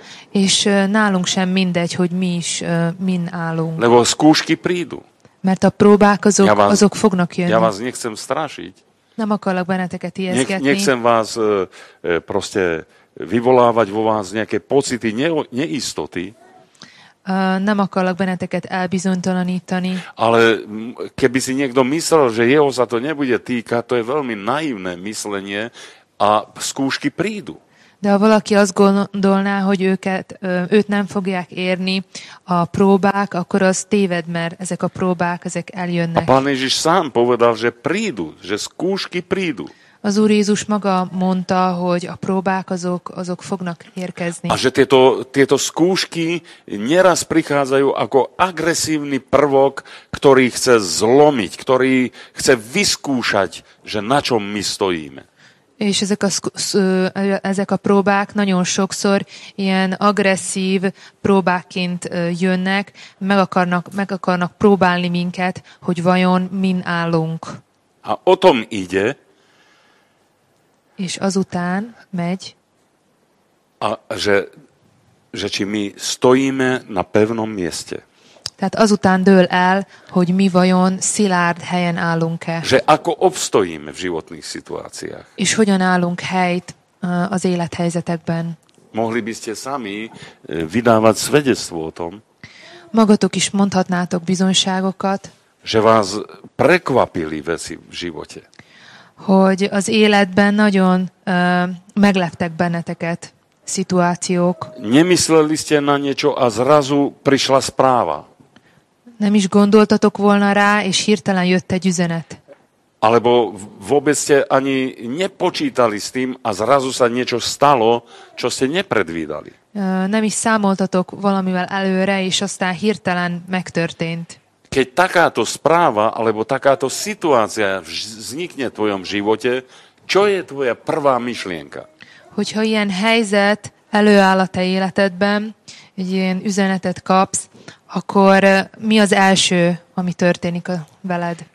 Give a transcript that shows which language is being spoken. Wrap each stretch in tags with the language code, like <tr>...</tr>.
<hu>És nálunk sem mindegy, hogy mi is min állunk.</hu> <sk>Lebo skúšky prídu.</sk> <hu>Mert a próbák azok fognak jönni.</hu> <sk>Ja vás nechcem strašiť.</sk> <hu>Nem akarlak benneteket ijeszgetni.</hu> <sk>Nechcem vás proste vyvolávať vo vás nejaké pocity neistoty.</sk> <hu>Nem akarlak benneteket elbizonytalanítani.</hu> <sk>Ale keby si niekto myslel, že jeho sa to nebude týkať, to je veľmi naivné myslenie a skúšky prídu.</sk> <hu>De ha valaki azt gondolná, hogy őt nem fogják érni a próbák, akkor az téved, mert ezek a próbák, ezek eljönnek.</hu> <sk>A Pán Ježiš sám povedal, že prídu, že skúšky prídu.</sk> <hu>Az Úr Jézus maga mondta, hogy a próbák azok fognak érkezni.</hu> <sk>A že tieto skúšky neraz prichádzajú ako agresívny prvok, ktorý chce zlomiť, ktorý chce vyskúšať, že na čom my stojíme.</sk> <hu>És ezek a próbák nagyon sokszor ilyen agresszív próbáként jönnek, meg akarnak próbálni minket, hogy vajon min állunk.</hu> <sk>A o tom ide.</sk> <hu>És azután megy.</hu> <sk>A že či mi stojíme na pevnom mieste.</sk> <hu>Tehát azután dől el, hogy mi vajon szilárd helyen állunk-e.</hu> <sk>Že ako obstojíme v životných situáciách.</sk> <hu>És hogyan állunk helyt az élethelyzetekben.</hu> <sk>Mohli by ste sami vydávať svedectvo o tom.</sk> <hu>Magatok is mondhatnátok bizonyságokat.</hu> <sk>Že vás prekvapili veci v živote.</sk> <hu>Hogy az életben nagyon megleptek benneteket szituációk.</hu> <sk>Nemysleli ste na niečo a zrazu prišla správa.</sk> <hu>Nem is gondoltatok volna rá, és hirtelen jött egy üzenet.</hu> <sk>Alebo vôbec ste ani nepočítali s tým a zrazu sa niečo stalo, čo ste nepredvídali.</sk> <hu>Nem is számoltatok valamivel előre, és aztán hirtelen megtörtént.</hu> <sk>Keď takáto správa, alebo takáto situácia vznikne v tvojom živote, čo je tvoja prvá myšlienka?</sk> <hu>Hogyha ilyen helyzet előáll a te életedben, egy ilyen üzenetet kapsz, akkor mi az első, ami történik veled?</hu>